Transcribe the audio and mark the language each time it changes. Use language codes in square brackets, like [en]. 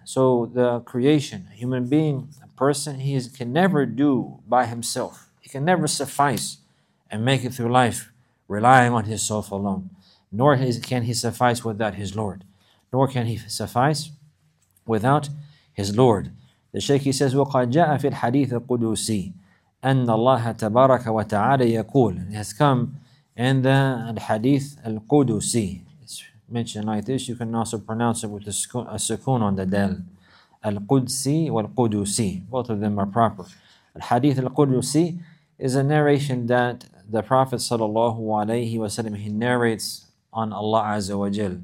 [en] So the creation, human being, person, he can never do by himself. He can never suffice and make it through life relying on his self alone. Nor can he suffice without his Lord. Nor can he suffice without his Lord. The Shaykh, he says, [ar] وَقَدْ جَاءَ فِي الْحَدِيثِ الْقُدُوسِ أَنَّ اللَّهَ تَبَارَكَ وَتَعَالَى يَقُولُ. [en] It has come in the Hadith al-Qudusi. It's mentioned like this. You can also pronounce it with a sukun on the dal. Al-Qudsi wal-Qudusi, both of them are proper. Al-Hadith al-Qudusi is a narration that the Prophet sallallahu alayhi wa sallam, he narrates on Allah Azza wa Jal.